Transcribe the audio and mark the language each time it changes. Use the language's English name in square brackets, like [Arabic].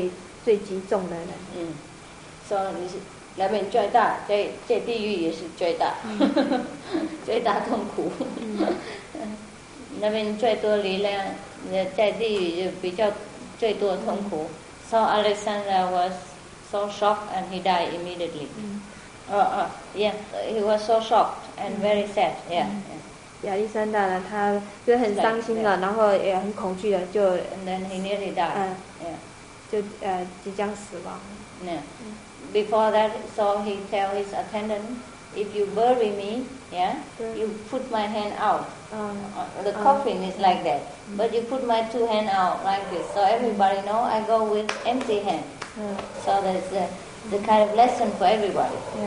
[Chinese] 那你在这个世界上呢，是一个很伟大的人物哈。但是你到了这个地狱啊，也会变成一位受痛苦最极重的人。 [English] So [Chinese] 你是。那边最大，在地狱也是最大，最大痛苦。那边最多力量，在地狱就比较最多痛苦。 [English] So Alexandra was so shocked and he died immediately. He was so shocked and very sad. Yeah. [Chinese] 亚历山大呢，他就很伤心了，然后也很恐惧的就 [English] And then he nearly died. Yeah. [Chinese] 就即将死亡。 [English] Before that, so he tell his attendant, if you bury me, you put my hand out. The coffin is like that. But you put my two hands out like this. So everybody know I go with empty hand. So that's the kind of lesson for everybody.